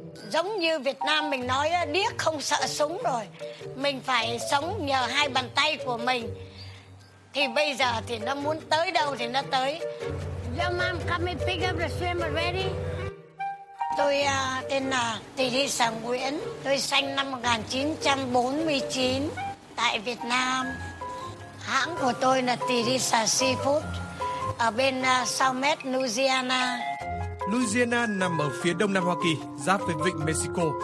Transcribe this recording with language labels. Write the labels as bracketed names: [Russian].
[Vietnamese] Giống như Việt Nam mình nói, điếc không sợ súng rồi. Mình phải sống nhờ hai bàn tay của mình. Thì bây giờ thì nó muốn tới đâu thì nó tới. [English] Your mom come and pick up the shrimp already? [Vietnamese] Tôi tên là Teresa Nguyễn. Tôi sinh năm 1949 tại Việt Nam. Hãng của tôi là Teresa Seafood ở bên South Med, Louisiana. Louisiana nằm ở phía đông nam Hoa Kỳ, giáp với vịnh Mexico.